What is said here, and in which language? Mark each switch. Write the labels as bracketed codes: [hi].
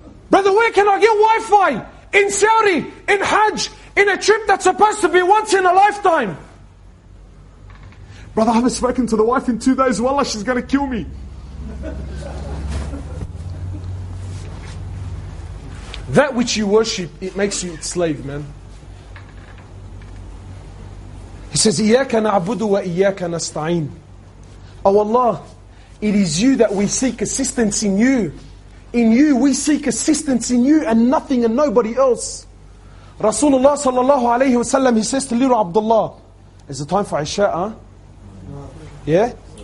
[en] Brother, where can I get Wi-Fi? In Saudi, in Hajj, in a trip that's supposed to be once in a lifetime. Brother, I haven't spoken to the wife in 2 days. Wallah, she's going to kill me. That which you worship, it makes you its slave, man. [ar] He says, إِيَّاكَ نَعْبُدُ وَإِيَّاكَ نَسْتَعِينَ. [en] Oh Allah, it is you that we seek assistance in you. In you, we seek assistance in you and nothing and nobody else. Rasulullah sallallahu alayhi wasallam, he says to little Abdullah, is it time for Isha? Huh? Yeah?